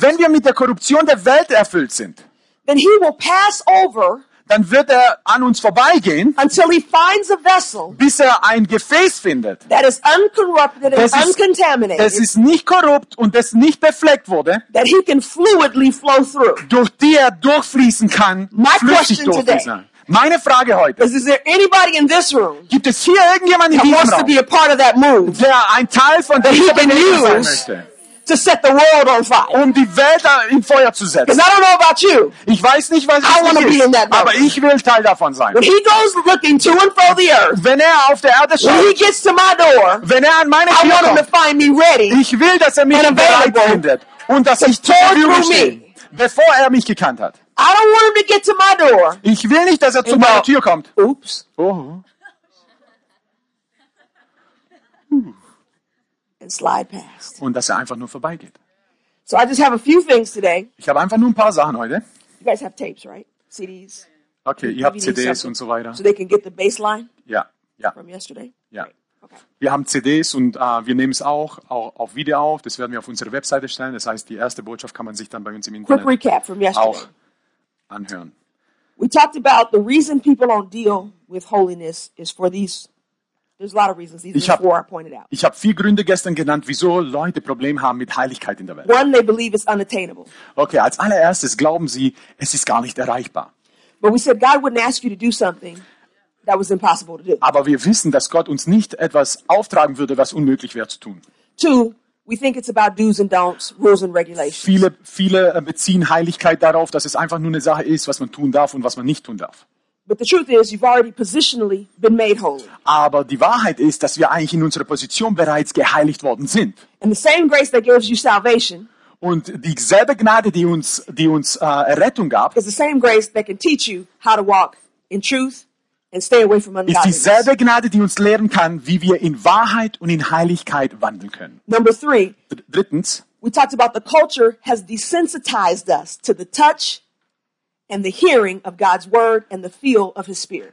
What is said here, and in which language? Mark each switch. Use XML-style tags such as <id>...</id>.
<de>wenn wir mit der Korruption der Welt erfüllt sind,</de> <en>then he will pass over,</en> <de>dann wird er an uns vorbeigehen,</de> <en>until he finds a vessel,</en> <de>bis er ein Gefäß findet,</de> <en>that is uncorrupted and uncontaminated,</en> <de>das ist nicht korrupt und das nicht befleckt wurde,</de> <en>that he can fluidly flow through,</en> <de>durch die er durchfließen kann, flüssig durchfließen kann. Meine Frage heute,</de> <en>is there anybody in this room,</en> <de>gibt es hier irgendjemand in diesem</de> <en>wants</en> <de>Raum,</de> <en>to be a part of that move,</en> <de>der ein Teil von</de> <en>that he can use to set the world on fire.</en> <de>Um die Welt in Feuer zu setzen.</de> <en>Because I don't know about you.</en> <de>Ich weiß nicht, was</de> <en>I want to be in that moment.</en> <de>Aber ich will Teil davon sein.</de> <en>When he goes looking to and fro the earth,</en> <de>wenn er auf der Erde schaut,</de> <en>when he gets to my door,</en> <de>wenn er an meine Tür</de> <en>I want</en> <de>kommt,</de> <en>him to find me ready,</en> <de>ich will, dass er mich</de> <en>and available</en> <de>findet, und dass</de> <en>to</en> <de>ich</de> <en>talk through me.</en> <de>Bevor er mich gekannt hat.</de> <en>I don't want him to get to my door.</en> <de>Ich will nicht, dass er zu meiner Tür kommt.</de> <en>Oops. Oh. And slide past.</en> <de>Und dass er einfach nur vorbeigeht.</de> <en>So I just have a few things today.</en> <de>Ich habe einfach nur ein paar Sachen heute.</de> <en>You guys have tapes, right? CDs.</en> <de>Okay, ihr habt CDs und so weiter.</de> <en>So they can get the baseline.</en> <de>Ja, ja.</de> <en>From yesterday.</en> <de>Ja. Okay. Wir haben CDs und wir nehmen es auch auf Video auf. Das werden wir auf unsere Webseite stellen. Das heißt, die erste Botschaft kann man sich dann bei uns im Internet</de> <en>quick recap from yesterday</en> <de>auch anhören.</de> <en>We talked about the reason people don't deal with holiness is for these. There's a lot of reasons. These are four I pointed out.</en> <de>Ich habe vier Gründe gestern genannt, wieso Leute Probleme haben mit Heiligkeit in der Welt.</de> <en>One, they believe it's unattainable.</en> <de>Okay, als allererstes glauben sie, es ist gar nicht erreichbar.</de> <en>But we said God wouldn't ask you to do something that was impossible to do.</en> <de>Aber wir wissen, dass Gott uns nicht etwas auftragen würde, was unmöglich wäre zu tun.</de> <en>Two, we think it's about do's and don'ts, rules and regulations.</en> <de>Viele beziehen Heiligkeit darauf, dass es einfach nur eine Sache ist, was man tun darf und was man nicht tun darf.</de> <en>But the truth is, you've already positionally been made holy.</en> <de>Aber die Wahrheit ist, dass wir eigentlich in unserer Position bereits geheiligt worden sind.</de> <en>And the same grace that gives you salvation.</en> <de>Und dieselbe Gnade, die uns Errettung gab.</de> <en>Is the same grace that can teach you how to walk in truth and stay away from ungodliness.</en> <de>Ist dieselbe Gnade, die uns lehren kann, wie wir in Wahrheit und in Heiligkeit wandeln können.</de> <en>Number three.</en> <de>Drittens.</de> <en>We talked about the culture has desensitized us to the touch and the hearing of God's word and the feel of his spirit.</en>